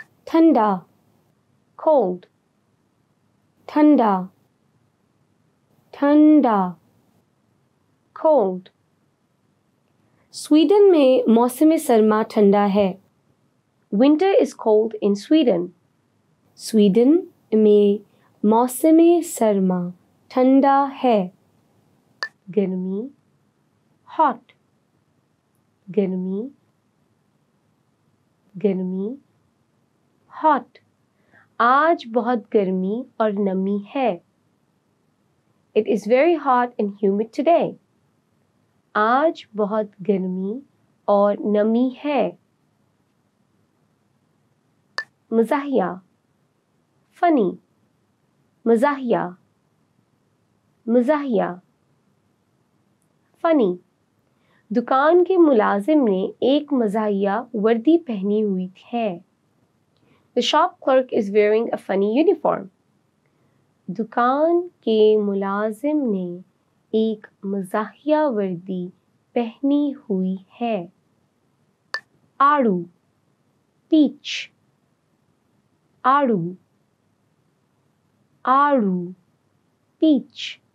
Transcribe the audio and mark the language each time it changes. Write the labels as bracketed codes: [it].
[hi] ठंडा, कोल्ड, ठंडा, ठंडा, कोल्ड। स्वीडन में मौसम सर्मा ठंडा है। [en] Winter is cold in Sweden. [hi] Sweden में मौसम सर्मा ठंडा है। गर्मी, हॉट, गर्मी, गर्मी, हॉट। आज बहुत गर्मी और नमी है। [en] It is very hot and humid today. [hi] आज बहुत गर्मी और नमी है। मज़ाहिया, फनी, मज़ाहिया, मज़ाहिया, फनी। दुकान के मुलाजिम ने एक मज़ाहिया वर्दी पहनी हुई है। [en] The shop clerk is wearing a funny uniform. [hi] दुकान के मुलाजिम ने एक मज़ाहिया वर्दी पहनी हुई है। आड़ू, पीच, आड़ू, आड़ू, पीच।